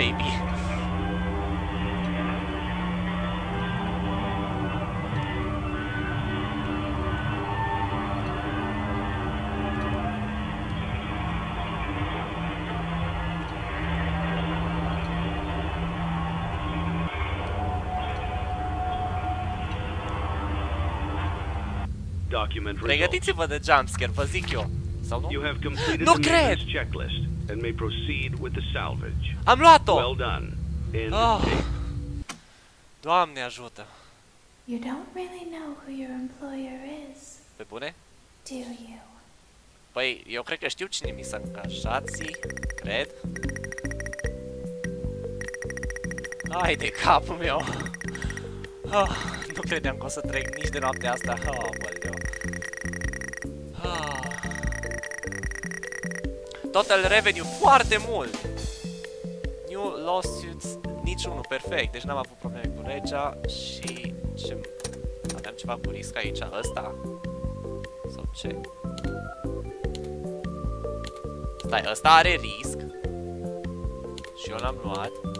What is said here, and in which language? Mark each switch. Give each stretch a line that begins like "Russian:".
English: Begin audio prompt in 3, 2, 1. documentary.
Romanian: Pregătiți-vă de jumpscare, vă zic eu. Sau nu?
English: You have completed the maintenance checklist and may proceed with the salvage.
Romanian: Am luat-o.
English: Well done. End tape.
Romanian: Doamne ajută.
English: You don't really know who your employer is.
Romanian: Pe bune?
English: Do you?
Romanian: Păi, eu cred că știu cine mi s-a încașat, cred. Hai de capul meu. Oh, nu credeam că o să trec nici de noaptea asta. Oh, băleu. Oh.
English: Total revenue
Romanian: foarte mult.
English: New lawsuits,
Romanian: niciunul, perfect. Deci n-am avut probleme cu regea și... ce... aveam ceva cu risc aici, ăsta? Sau ce? Stai, ăsta are risc. Și eu l-am luat.